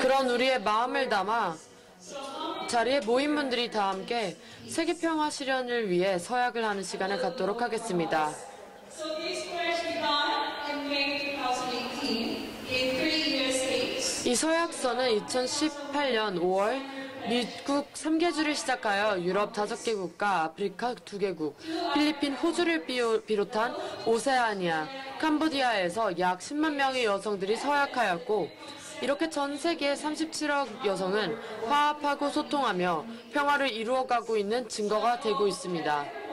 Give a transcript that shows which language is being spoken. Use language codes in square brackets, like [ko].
[ko] 그런 우리의 마음을 담아 자리에 모인 분들이 다 함께 세계 평화 실현을 위해 서약을 하는 시간을 갖도록 하겠습니다. [en] So this pledge began in May 2018 in 3 years. [ko] 이 서약서는 2018년 5월 미국 3개주를 시작하여 유럽 5개국과 아프리카 2개국, 필리핀, 호주를 비롯한 오세아니아, 캄보디아에서 약 10만 명의 여성들이 서약하였고, 이렇게 전 세계 37억 여성은 화합하고 소통하며 평화를 이루어가고 있는 증거가 되고 있습니다.